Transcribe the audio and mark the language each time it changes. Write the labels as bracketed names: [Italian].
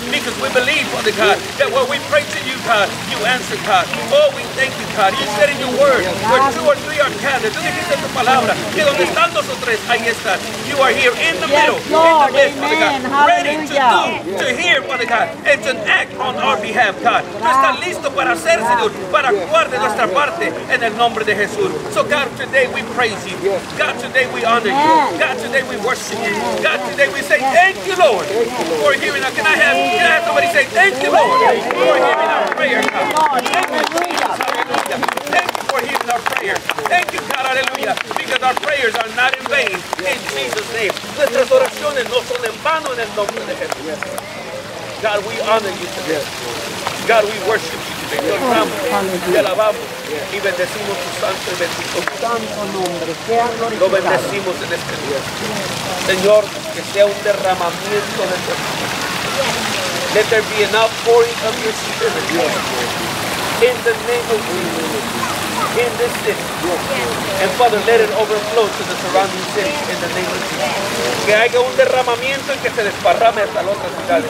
[English] Because we believe, Father God, that when we pray to you, God, you answer, God. Oh, we thank you, God. You said in your word, where two or three are gathered. [Spanish] Tú dijiste tu palabra, que donde están dos o tres, ahí están. [English] You are here in the middle, Lord, Father God, ready to do, to hear, Father God, and to act on our behalf, God. [Spanish] Listo para hacer, Señor, para actuar de nuestra parte en el nombre de Jesús. [English] So God, today we praise you. God, today we honor you. God, today we worship you. God, today we say thank you, Lord, for hearing us. Can I have somebody say thank you, Lord, for hearing our prayer, God. Thank you for hearing our prayer. Thank you, God, hallelujah, because our prayers are not in vain, in Jesus' name. [Spanish] Nuestras oraciones no son en vano en el nombre de Jesús. [English] God, we honor you today. God, we worship you today. [Spanish] Te alabamos y bendecimos tu santo y bendito nombre. Lo bendecimos en este día. Señor, que sea un derramamiento de tu Espíritu. [English] Let there be an outpouring of your Spirit. In the name of Jesus. In this city. And Father, let it overflow to the surrounding cities in the name of Jesus. [Spanish] Que haya un derramamiento y que se desparrame hasta las otras ciudades.